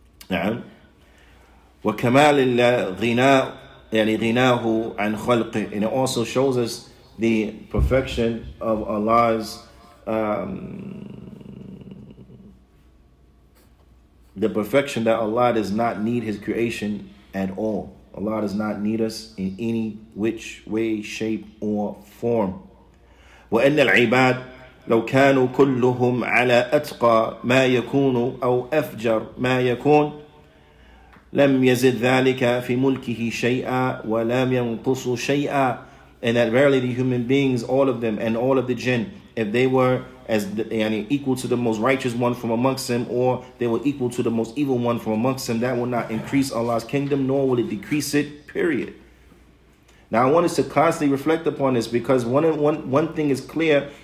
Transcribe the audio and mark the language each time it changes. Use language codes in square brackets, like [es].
[ar] وَكَمَالِ غِنَاهُ عَنْ خَلْقِ, [en] and it also shows us the perfection of Allah's the perfection that Allah does not need His creation at all. Allah does not need us in any which way, shape, or form. [ar] وَإِنَّ الْعِبَادِ لو كانوا كلهم على أتقى ما يكون أو أفجر ما يكون لم يزد ذلك في ملكه شيئا ولم ينقص شيئا. [en] And that verily the human beings, all of them and all of the jinn, if they were as equal to the most righteous one from amongst them, or they were equal to the most evil one from amongst them, that will not increase Allah's kingdom, nor will it decrease it, period. Now I want us to constantly reflect upon this, because one thing is clear.